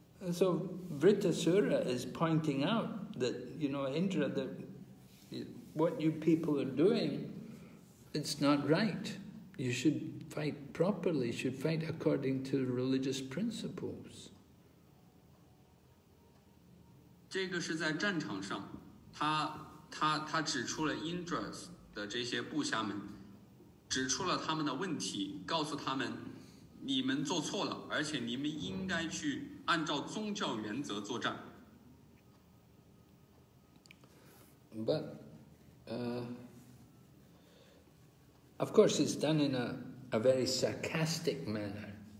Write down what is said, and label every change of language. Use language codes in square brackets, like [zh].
[en] So Vitrasura is pointing out that, you know, Indra, that what you people are doing, it's not right. You should fight properly, you should fight according to religious principles. [zh] 这个是在战场上，他指出了 Indra 的这些部下们，指出了他们的问题，告诉他们，你们做错了，而且你们应该去按照宗教原则作战。 [en] But, of course, it's done in a very sarcastic manner.